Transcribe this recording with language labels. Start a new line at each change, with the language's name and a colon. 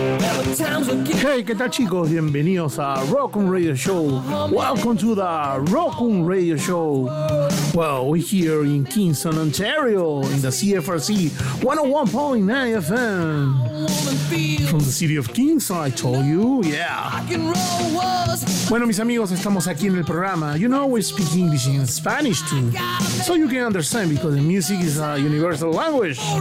Spanish: Hey, ¿qué tal, chicos? Bienvenidos a Rock'n Radio Show.
English: Welcome to the Rock'n Radio Show. Well, we're here in Kingston, Ontario, in the CFRC 101.9 FM. From the city of Kingston, I told you, yeah.
Spanish: Bueno, mis amigos, estamos aquí en el programa.
English: You know, we speak English and Spanish too, so you can understand because the music is a universal language.